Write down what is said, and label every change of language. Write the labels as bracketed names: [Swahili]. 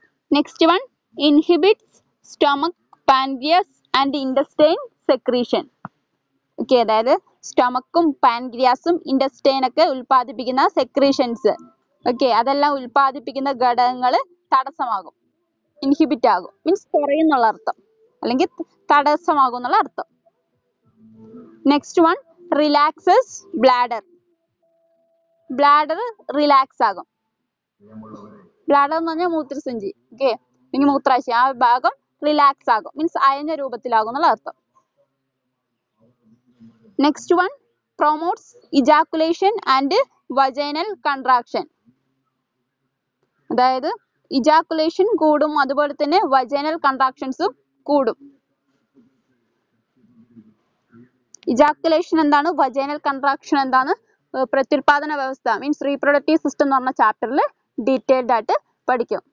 [English] next one inhibits stomach pancreas and intestine secretion [Malayalam] okay അതായത് സ്റ്റൊമക്കും പാൻക്രിയാസും ഇൻ്റസ്റ്റൈൻ ഒക്കെ ഉൽപ്പാദിപ്പിക്കുന്ന സെക്രീഷൻസ് ഓക്കെ അതെല്ലാം ഉൽപ്പാദിപ്പിക്കുന്ന ഘടകങ്ങൾ തടസ്സമാകും ഇൻഹിബിറ്റ് ആകും മീൻസ് കുറയുന്നുള്ള അർത്ഥം അല്ലെങ്കിൽ തടസ്സമാകും എന്നുള്ള അർത്ഥം [English] next one relaxes bladder [Malayalam] bladder relax ആകും ബ്ലാഡർ എന്ന് പറഞ്ഞാൽ മൂത്രസഞ്ചി ഓക്കെ നിങ്ങൾ മൂത്രാശി ആ ഭാഗം റിലാക്സ് ആകും മീൻസ് അയഞ്ഞ രൂപത്തിലാകും എന്നുള്ള അർത്ഥം [English] Next one promotes ejaculation and vaginal contraction. [Malayalam] അതായത് ഇജാക്കുലേഷൻ കൂടും അതുപോലെ തന്നെ വജൈനൽ കൺട്രാക്ഷൻസും കൂടും. ഇജാക്കുലേഷൻ എന്താണ്, വജൈനൽ കൺട്രാക്ഷൻ എന്താണ്, പ്രത്യുൽപാദന വ്യവസ്ഥ മീൻസ് റീപ്രൊഡക്റ്റീവ് സിസ്റ്റം എന്ന് പറഞ്ഞ ചാപ്റ്ററിൽ ഡീറ്റെയിൽഡ് ആയിട്ട് പഠിക്കും.